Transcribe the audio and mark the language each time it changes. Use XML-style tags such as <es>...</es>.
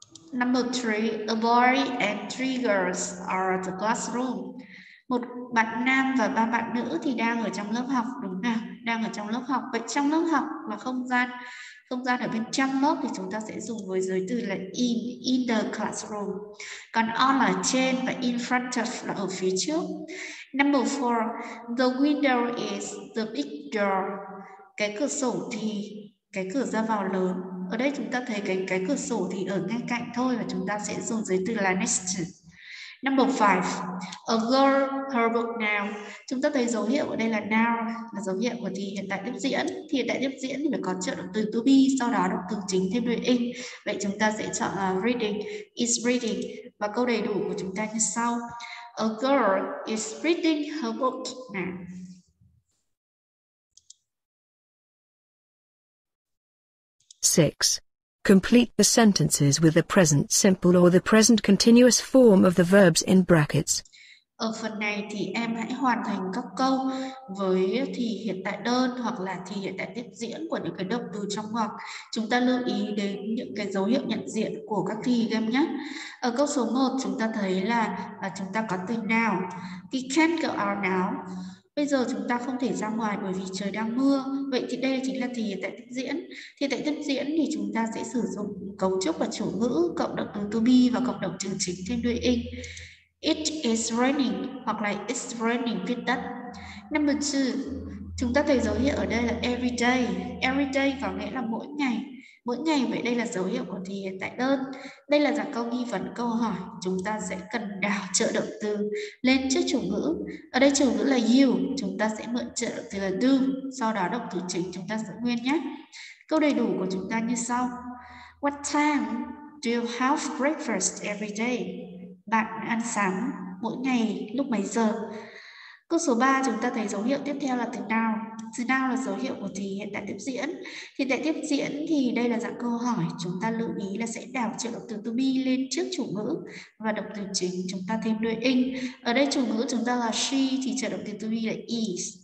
<en>Number three, a boy and three girls are at the classroom.</en> <vi>Một bạn nam và ba bạn nữ thì đang ở trong lớp học, đúng không? Đang ở trong lớp học. Vậy trong lớp học là không gian ở bên trong lớp thì chúng ta sẽ dùng với giới từ là</vi> <en>in the classroom.</en> <vi>Còn on là trên và in front of là ở phía trước.</vi> <en>Number four, the window is the big door.</en> <vi>Cái cửa ra vào lớn. Ở đây chúng ta thấy cái cửa sổ thì ở ngay cạnh thôi và chúng ta sẽ dùng giới từ là next.</vi> <en>Number 5, a girl, her book now.</en> <vi>Chúng ta thấy dấu hiệu ở đây là now, là dấu hiệu của thì hiện tại tiếp diễn. Thì hiện tại tiếp diễn thì phải có trợ động từ to be, sau đó động từ chính thêm đuôi ing. Vậy chúng ta sẽ chọn là</vi> <en>reading, is reading.</en> <vi>Và câu đầy đủ của chúng ta như sau.</vi> <en>A girl is reading her book now. Six. Complete the sentences with the present simple or the present continuous form of the verbs in brackets.</en> <vi>Ở phần này thì em hãy hoàn thành các câu với thì hiện tại đơn hoặc là thì hiện tại tiếp diễn của những cái động từ trong hoặc. Chúng ta lưu ý đến những cái dấu hiệu nhận diện của các thì em nhé. Ở câu số 1 chúng ta thấy là chúng ta có từ now.</vi> <en>We can't go out now.</en> <vi>Bây giờ chúng ta không thể ra ngoài bởi vì trời đang mưa. Vậy thì đây chính là thì hiện tại tiếp diễn. Thì tại tiếp diễn thì chúng ta sẽ sử dụng cấu trúc và chủ ngữ cộng động từ to be và cộng động từ chính thêm đuôi ing.</vi> <en>It is raining</en> <vi>hoặc là</vi> <en>it's raining</en> <vi>viết tắt. Number 2, chúng ta thấy dấu hiệu ở đây là</vi> <en>every day. Every day</en> <vi>có nghĩa là mỗi ngày. Mỗi ngày, vậy đây là dấu hiệu của thì hiện tại đơn. Đây là dạng câu nghi vấn câu hỏi. Chúng ta sẽ cần đảo trợ động từ lên trước chủ ngữ. Ở đây chủ ngữ là you. Chúng ta sẽ mượn trợ động từ là do. Sau đó động từ chính chúng ta giữ nguyên nhé. Câu đầy đủ của chúng ta như sau.</vi> <en>What time do you have breakfast every day?</en> <vi>Bạn ăn sáng mỗi ngày lúc mấy giờ? Câu số 3 chúng ta thấy dấu hiệu tiếp theo là từ nào. Từ nào là dấu hiệu của thì hiện tại tiếp diễn. Thì tại tiếp diễn thì đây là dạng câu hỏi. Chúng ta lưu ý là sẽ đảo trợ động từ to be lên trước chủ ngữ. Và động từ chính chúng ta thêm đuôi ing. Ở đây chủ ngữ chúng ta là she thì trợ động từ to be là is.</vi>